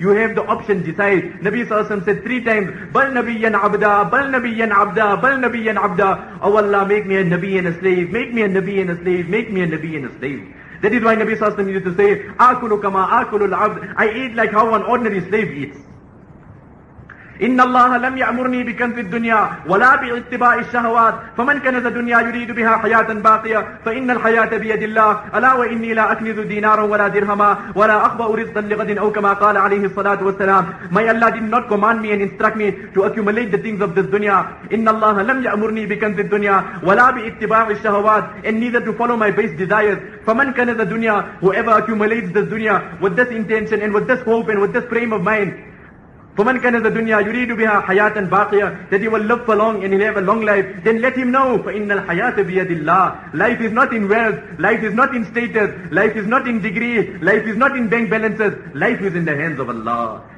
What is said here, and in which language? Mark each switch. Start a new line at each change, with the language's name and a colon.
English: You have the option, decide. Nabi Sallallahu Alaihi Wasallam said three times,
Arabic: Bal Nabiyyan Abda, Bal Nabiyyan Abda, Bal Nabiyyan Abda.
English: Oh Allah, make me a Nabi and a slave, make me a Nabi and a slave, make me a Nabi and a slave. That is why Nabi Sallallahu Alaihi Wasallam used to say,
Arabic: Akulu kama akulu al-abd,
English: I eat like how an ordinary slave eats.
Arabic: إن الله لم يأمرني بكنز الدنيا ولا باتباع الشهوات فمن كنز الدنيا يريد بها حياة باقية فإن الحياة بيد الله ألا وإني لا أكنز دينارا ولا درهما ولا أخبأ رزقا لغد أو كما قال عليه الصلاة والسلام.
English: My Allah did not command me and instruct me to accumulate the things of this dunya.
Arabic: إن الله لم يأمرني بكنز الدنيا ولا باتباع الشهوات,
English: and neither to follow my base desires.
Arabic: فمن كنز الدنيا,
English: whoever accumulates this dunya with this intention and with this hope and with this frame of mind,
Arabic: فَمَنْ كَنَ ذَ دُنْيَا يُرِيدُ بِهَا حَيَاةً بَاقِيَةً,
English: that he will live for long and he'll have a long life, then let him know,
Arabic: فَإِنَّ الْحَيَاةَ بِيَدِ اللَّهِ,
English: life is not in wealth, life is not in status, life is not in degree, life is not in bank balances, life is in the hands of Allah.